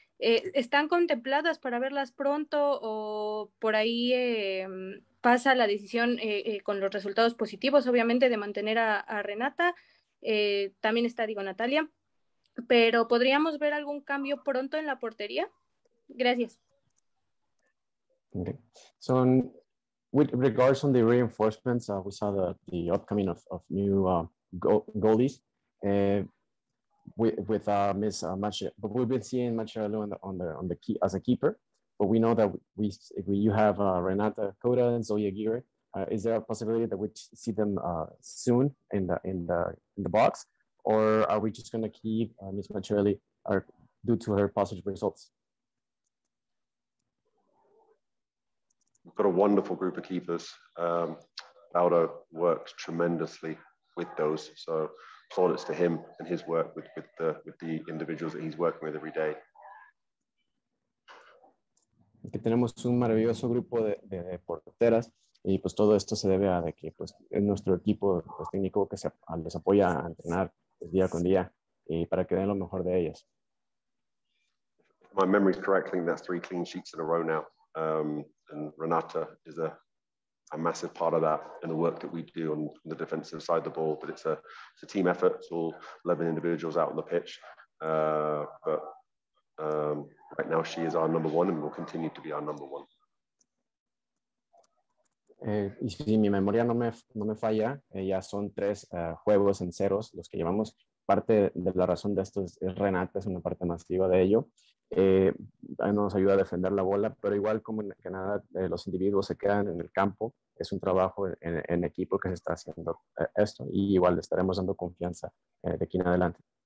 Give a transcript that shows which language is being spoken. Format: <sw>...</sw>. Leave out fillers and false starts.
<es>¿Están contempladas para verlas pronto o por ahí pasa la decisión con los resultados positivos, obviamente, de mantener a Renata? También está, digo, Natalia. ¿Pero podríamos ver algún cambio pronto en la portería? Gracias.</es> <en>Okay. So, with regards on the reinforcements, we saw the upcoming of new goalies. With Miss Macha, but we've been seeing Macharelli on the key as a keeper. But we know that you have Renata Cota and Zoe Aguirre. Is there a possibility that we see them soon in the box, or are we just going to keep Miss Macharelli due to her positive results? We've got a wonderful group of keepers. Baldo worked tremendously with those, so plaudits to him and his work with the individuals that he's working with every day.</en> <es>Que tenemos un maravilloso grupo de porteras, y pues todo esto se debe a de que pues es nuestro equipo pues, técnico que se les apoya a entrenar pues, día con día y para que den lo mejor de ellas.</es> <en>If my memory is correct, that's 3 clean sheets in a row now. And Renata is a massive part of that and the work that we do on the defensive side of the ball. But it's a team effort. It's all 11 individuals out on the pitch. But right now she is our number one and will continue to be our number one.</en> <es>Y si mi memoria no me falla, ya son 3 juegos en ceros los que llevamos. Parte de la razón de esto es Renata, es una parte masiva de ello. Nos ayuda a defender la bola, pero igual como en Canadá, los individuos se quedan en el campo, es un trabajo en equipo que se está haciendo esto, y igual estaremos dando confianza de aquí en adelante.</es>